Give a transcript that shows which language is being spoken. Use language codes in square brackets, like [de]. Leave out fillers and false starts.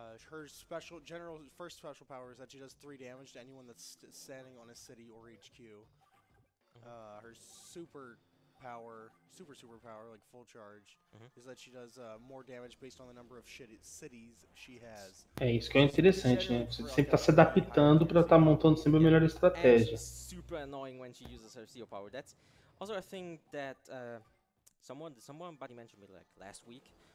[en] Her special general first special power is that she does 3 damage to anyone that's standing on a city or HQ. Her super power, like full charge, is that she does more damage based on the number of cities she has. [pt] É isso que é interessante, né? Você sempre tá se adaptando para estar montando sempre a melhor estratégia. [en] Super annoying when she uses her CO power. That's also a thing that somebody mentioned me like last week.